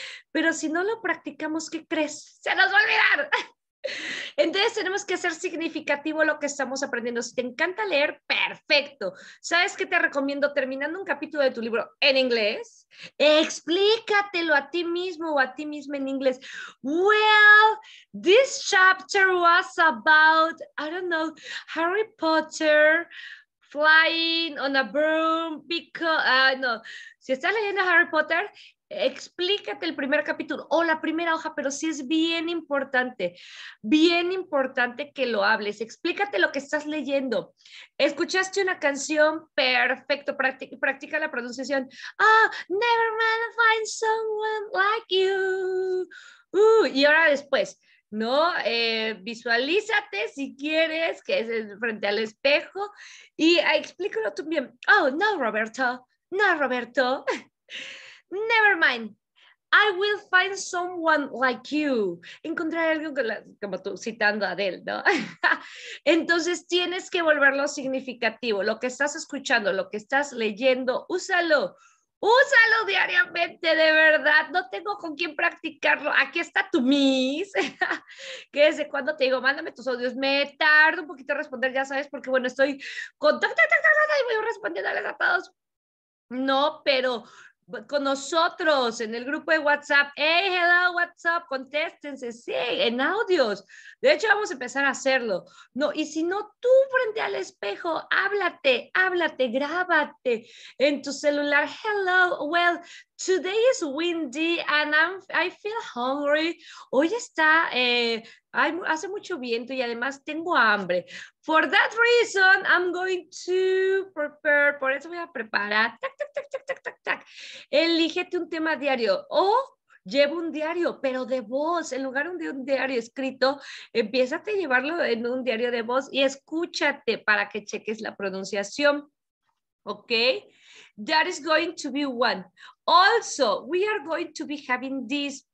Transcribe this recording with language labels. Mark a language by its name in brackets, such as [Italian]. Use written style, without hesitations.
[Spanish] Pero si no lo practicamos, ¿qué crees? Se nos va a olvidar. Entonces tenemos que hacer significativo lo que estamos aprendiendo. Si te encanta leer, perfecto. ¿Sabes qué te recomiendo? Terminando un capítulo de tu libro en inglés, explícatelo a ti mismo o a ti misma en inglés. [English] Well, this chapter was about, I don't know, Harry Potter flying on a broom because, no. [Spanish] Si estás leyendo Harry Potter, explícate el primer capítulo o la primera hoja, pero sí es bien importante que lo hables. Explícate lo que estás leyendo. ¿Escuchaste una canción? Perfecto, practica la pronunciación. [English] Ah, oh, never mind, find someone like you. [Spanish] Y ahora después, ¿no? Visualízate si quieres, que es frente al espejo, y explícalo tú bien. Oh, no, Roberto, no, Roberto. [English] Never mind, I will find someone like you. [Spanish] Encontraré a alguien como tú, citando a Adele, ¿no? Entonces tienes que volverlo significativo. Lo que estás escuchando, lo que estás leyendo, úsalo. Úsalo diariamente, de verdad. No tengo con quién practicarlo. Aquí está tu Miss. Que desde cuando te digo, mándame tus audios. Me tardo un poquito en responder, ya sabes, porque bueno, estoy con. Y voy respondiéndoles a todos. No, pero con nosotros en el grupo de WhatsApp. [English] Hey, hello, [Spanish] WhatsApp, contéstense. Sí, en audios. De hecho, vamos a empezar a hacerlo. No, y si no, tú frente al espejo, háblate, grábate en tu celular. [English] Hello, well, today is windy and I feel hungry. [Spanish] Hoy está, hace mucho viento y además tengo hambre. [English] For that reason, I'm going to prepare. [Spanish] Por eso voy a preparar. Elígete un tema diario o lleva un diario, pero de voz. En lugar de un diario escrito, empieza a llevarlo en un diario de voz y escúchate para que cheques la pronunciación. [English] ¿Ok? That is going to be one. Also, we are going to be having this.